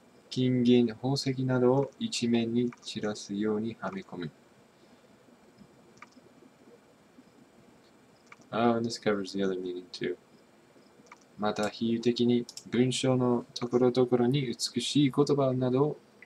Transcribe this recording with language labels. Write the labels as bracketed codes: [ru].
[ja] 金銀宝石などを一面に散らすようにはめ込む。 [en] Oh, and this covers the other meaning too. [ja] また比喩的に文章のところどころに美しい言葉などを